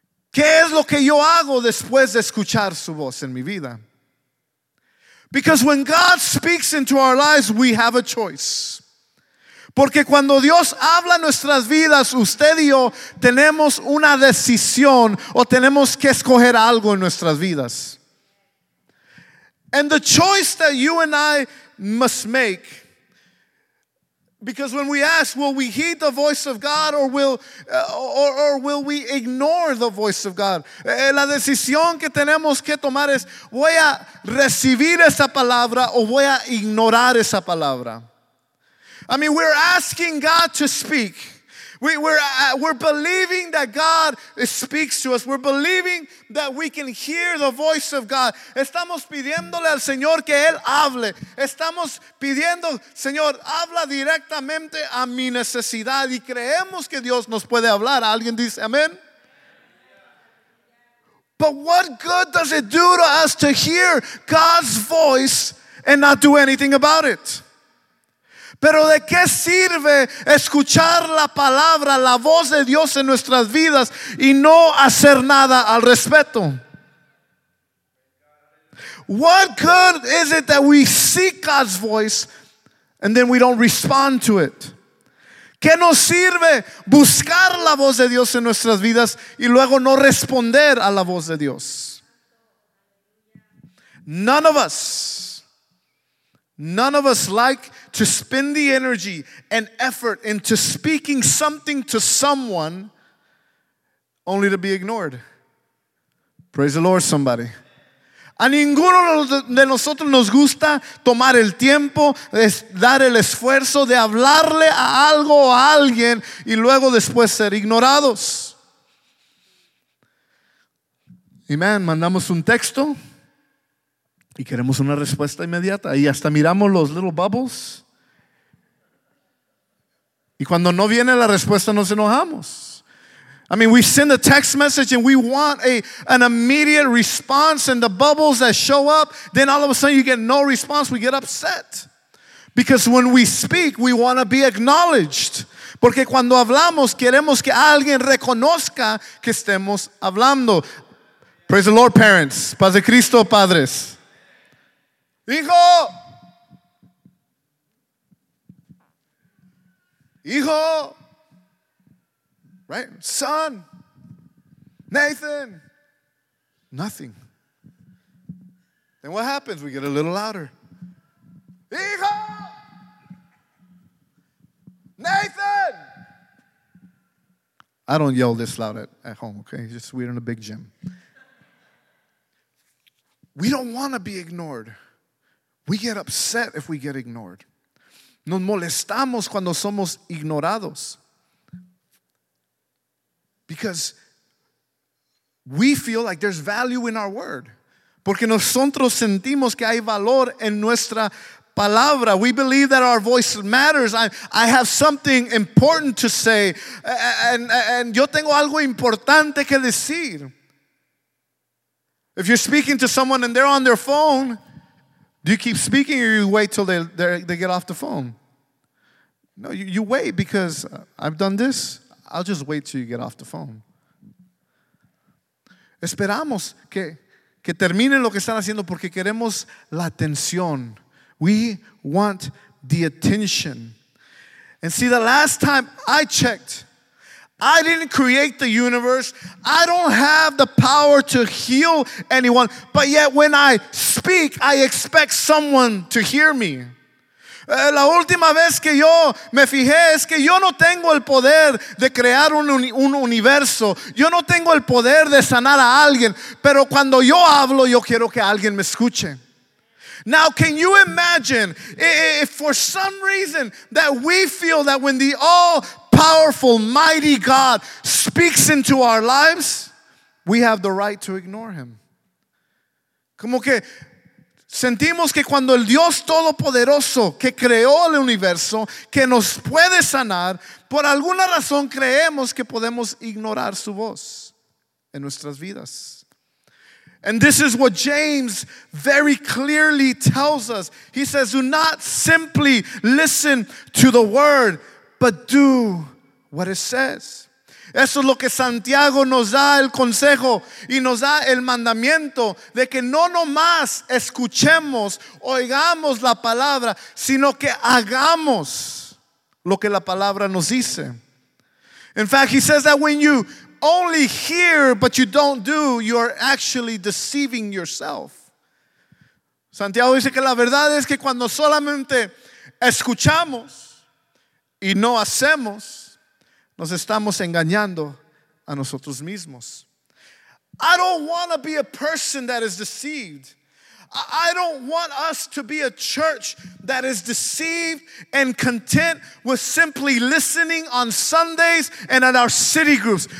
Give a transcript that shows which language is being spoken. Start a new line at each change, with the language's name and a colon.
Spanish: ¿Qué es lo que yo hago después de escuchar su voz en mi vida?
English: Because when God speaks into our lives, we have a choice.
Spanish: Porque cuando Dios habla nuestras vidas, usted y yo tenemos una decisión o tenemos que escoger algo en nuestras vidas.
English: And the choice that you and I must make, because when we ask, will we heed the voice of God or will we ignore the voice of God?
Spanish: La decisión que tenemos que tomar es, ¿voy a recibir esa palabra o voy a ignorar esa palabra?
English: I mean, we're asking God to speak. We're believing that God speaks to us. We're believing that we can hear the voice of God.
Spanish: Estamos pidiéndole al Señor que Él hable. Estamos pidiendo, Señor, habla directamente a mi necesidad. Y creemos que Dios nos puede hablar. ¿Alguien dice amén?
English: But what good does it do to us to hear God's voice and not do anything about it?
Spanish: Pero ¿de qué sirve escuchar la palabra, la voz de Dios en nuestras vidas y no hacer nada al respecto?
English: What good is it that we seek God's voice and then we don't respond to it?
Spanish: ¿Qué nos sirve buscar la voz de Dios en nuestras vidas y luego no responder a la voz de Dios?
English: None of us like to spend the energy and effort into speaking something to someone only to be ignored. Praise the Lord, somebody.
Spanish: A ninguno de nosotros nos gusta tomar el tiempo, dar el esfuerzo de hablarle a algo o a alguien y luego después ser ignorados. Amen. Mandamos un texto y queremos una respuesta inmediata. Y hasta miramos los
English: little bubbles.
Spanish: Y cuando no viene la respuesta, nos enojamos.
English: I mean, we send a text message and we want an immediate response, and the bubbles that show up, then all of a sudden you get no response. We get upset. Because when we speak, we want to be acknowledged.
Spanish: Porque cuando hablamos, queremos que alguien reconozca que estemos hablando.
English: Praise the Lord, parents.
Spanish: Paz de Cristo, padres. Hijo. Hijo.
English: Right? Son. Nathan. Nothing. Then what happens? We get a little louder.
Spanish: Hijo.
English: Nathan. I don't yell this loud at home, okay? Just we're in a big gym. We don't want to be ignored. We get upset if we get ignored.
Spanish: Nos molestamos cuando somos ignorados.
English: Because we feel like there's value in our word.
Spanish: Porque nosotros sentimos que hay valor en nuestra palabra.
English: We believe that our voice matters. I have something important to say.
Spanish: And yo tengo algo importante que decir.
English: If you're speaking to someone and they're on their phone, do you keep speaking or you wait till they get off the phone? No, you wait, because I've done this. I'll just wait till you get off the phone.
Spanish: Esperamos que terminen lo que están haciendo porque queremos la atención.
English: We want the attention. And see, the last time I checked, I didn't create the universe. I don't have the power to heal anyone. But yet when I speak, I expect someone to hear me.
Spanish: La última vez que yo me fijé es que yo no tengo el poder de crear un universo. Yo no tengo el poder de sanar a alguien. Pero cuando yo hablo, yo quiero que alguien me escuche.
English: Now, can you imagine if for some reason that we feel that when the all-powerful, mighty God speaks into our lives, we have the right to ignore him?
Spanish: Como que sentimos que cuando el Dios Todopoderoso que creó el universo, que nos puede sanar, por alguna razón creemos que podemos ignorar su voz en nuestras vidas.
English: And this is what James very clearly tells us. He says, do not simply listen to the word, but do what it says.
Spanish: Eso es lo que Santiago nos da el consejo y nos da el mandamiento de que no nomás escuchemos, oigamos la palabra, sino que hagamos lo que la palabra nos dice.
English: In fact, he says that when you only hear but you don't do, you're actually deceiving yourself.
Spanish: Santiago dice que la verdad es que cuando solamente escuchamos y no hacemos, nos estamos engañando a nosotros mismos.
English: I don't want to be a person that is deceived. I don't want us to be a church that is deceived and content with simply listening on Sundays and at our city groups.